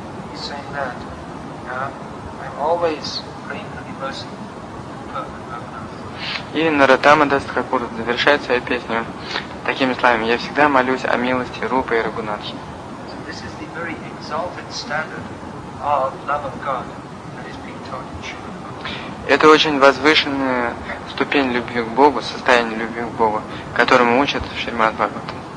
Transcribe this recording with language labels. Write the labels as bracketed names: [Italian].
[English] He's saying that, I'm always praying for the mercy of Perfect [Russian] Raghunath. И Наратама Дас Тхакур завершает свою песню такими словами, я всегда молюсь о милости Рупы и Рагунатхи. [English] So this is the very exalted standard of love of God that is being taught in Shri. [Russian] Это очень возвышенная ступень любви к Богу, состояние любви к Богу, которому учат в Шримад Бхагаватам.